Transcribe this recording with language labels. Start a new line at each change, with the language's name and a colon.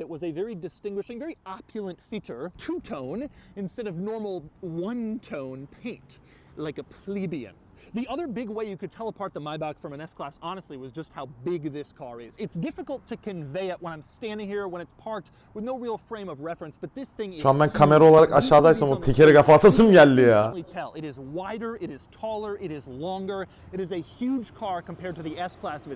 English: It was a very distinguishing, very opulent feature. Two-tone instead of normal one-tone paint, like a plebeian. The other big way you could tell apart the Maybach from an S-Class, honestly, was just how big this car is. It's difficult to convey it when I'm standing here, when it's parked, with no real frame of reference, but this thing is
Turkish: Şu an ben kamera olarak aşağıdaysam o tekeri kafa atasım geldi ya.
English: It is wider, it is taller, it is longer. It is a huge car compared to the S-Class.